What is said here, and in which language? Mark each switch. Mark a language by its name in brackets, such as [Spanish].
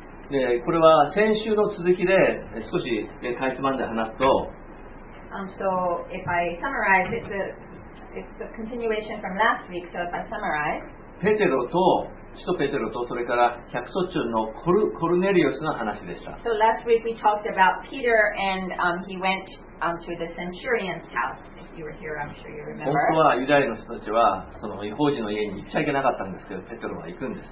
[Japanese] で、これは先週の続きで少しかいつまんで話すと、 [English] So if I summarize, it's a continuation from last week. So if I summarize, [Japanese] ペテロと使徒ペテロとそれから百姓長のコルネリオスの話でした。 [English] So last week we talked about Peter and he went to the centurion's house. If you were here, I'm sure you remember. [Japanese] 本当はユダヤの人たちはその異邦人の家に行っちゃいけなかったんですけど、ペテロは行くんです、ね。